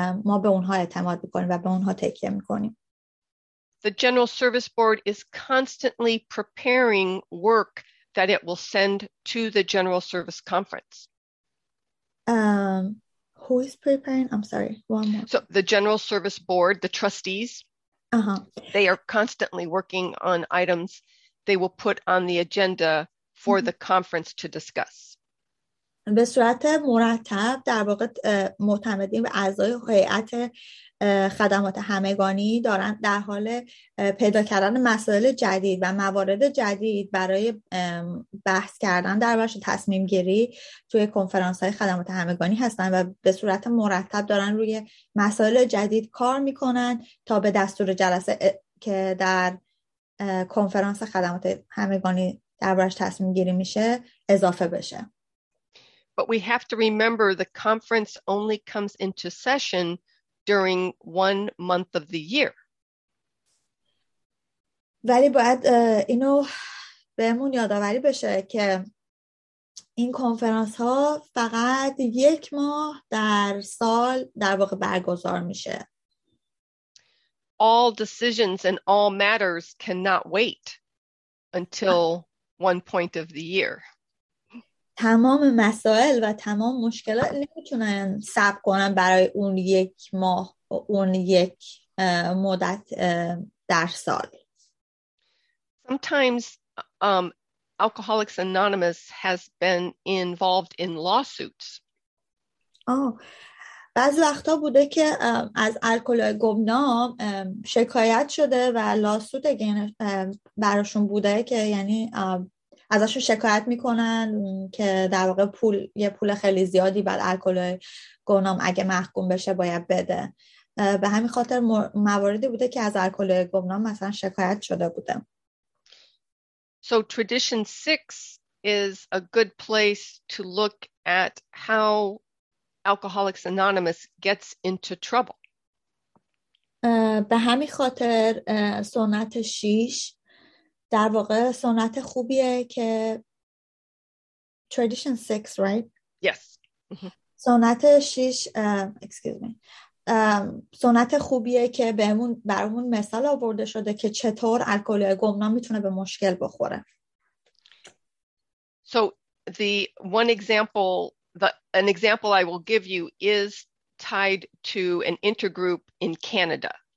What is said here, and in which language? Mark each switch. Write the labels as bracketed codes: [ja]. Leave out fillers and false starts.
[fa] ما به اونها اعتماد میکنیم و به اونها تکیه میکنیم. [en] The General Service Board is constantly preparing work that it will send to the General Service Conference. Who is preparing? I'm sorry, one more. So the General Service Board, the trustees, they are constantly working on items they will put on the agenda for the conference to discuss. [fa] به صورت مرتب در واقع معتمدین و اعضای هیئت خدمات همگانی دارن در حال پیدا کردن مسائل جدید و موارد جدید برای بحث کردن در بخش تصمیم گیری توی کنفرانس های خدمات همگانی هستن و به صورت مرتب دارن روی مسائل جدید کار میکنن تا به دستور جلسه که در کنفرانس خدمات همگانی در بخش تصمیم گیری میشه اضافه بشه. [en] But we have to remember the conference only comes into session during one month of the year. [fa] ولی باید اینو بهمون یادآوری بشه که این کنفرانس ها فقط یک ماه در سال در واقع برگزار میشه. [en] All decisions and all matters cannot wait until one point of the year. [fa] تمام مسائل و تمام مشکلات نمیتونن صبر کنن برای اون یک ماه و اون یک مدت در سال. [en] Sometimes Alcoholics Anonymous has been involved in lawsuits. [fa] بعضی وقتا بوده که از الکلای گمنام شکایت شده و لاسوت براشون بوده که یعنی ازشون شکایت میکنن که در واقع پول یه پول خیلی زیادی بعد الکلای گمنام اگه محکوم بشه باید بده. به همین خاطر مواردی بوده که از الکلای گمنام مثلا شکایت شده بوده. [en] So tradition 6 is a good place to look at how Alcoholics Anonymous gets into trouble. [fa] به همین خاطر سنت 6 در واقع سنت خوبیه که [en] tradition 6, right? Yes. [fa] سنت 6 [en] excuse me. [fa] سنت خوبیه که بهمون برامون مثال آورده شده که چطور الکلی گمنام میتونه به مشکل بخوره. [en] So the one example, an example I will give you is tied to an intergroup in Canada.